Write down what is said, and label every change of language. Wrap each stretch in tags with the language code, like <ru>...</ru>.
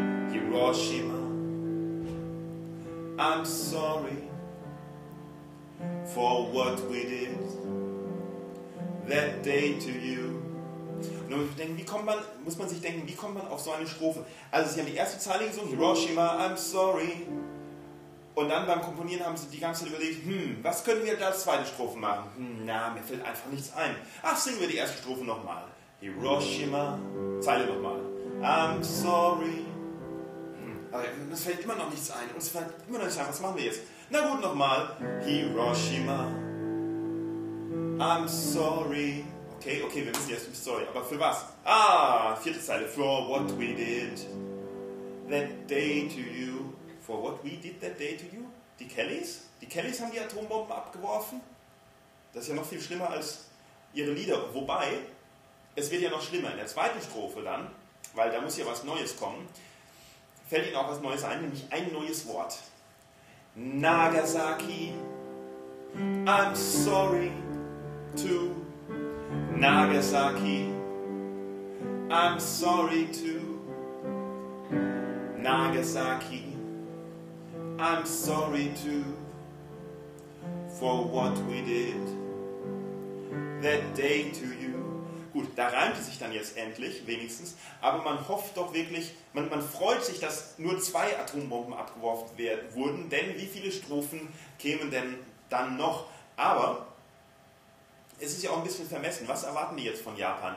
<en>Hiroshima, I'm sorry for what we did that day to you.</en> <de>Nur ich denke, wie kommt man auf so eine Strophe? Also sie haben die erste Zeile gesungen,</de> <en>Hiroshima, I'm sorry.</en> <de>Und dann beim Komponieren haben sie die ganze Zeit überlegt, was können wir da als zweite Strophe machen? Na, mir fällt einfach nichts ein. Ach, singen wir die erste Strophe nochmal. Hiroshima, Zeile nochmal.</de> <en>I'm sorry.</en> <de>Aber uns fällt immer noch nichts ein. Uns fällt immer noch nichts ein. Was machen wir jetzt? Na gut, nochmal.</de> <en>Hiroshima, I'm sorry.</en> <de>Okay, wir müssen jetzt, sorry, aber für was? Ah, vierte Zeile.</de> <en>For what we did that day to you. For what we did that day to you?</en> <de>Die Kellys? Die Kellys haben die Atombomben abgeworfen? Das ist ja noch viel schlimmer als ihre Lieder. Wobei, es wird ja noch schlimmer. In der zweiten Strophe dann, weil da muss ja was Neues kommen, fällt ihnen auch was Neues ein, nämlich ein neues Wort.</de> <en>Nagasaki, I'm sorry to. Nagasaki, I'm sorry to. Nagasaki, I'm sorry too for what we did that day to you.</en> <de>Gut, da reimt es sich dann jetzt endlich, wenigstens. Aber man hofft doch wirklich, man freut sich, dass nur zwei Atombomben abgeworfen wurden, denn wie viele Strophen kämen denn dann noch? Aber es ist ja auch ein bisschen vermessen. Was erwarten die jetzt von Japan?</de>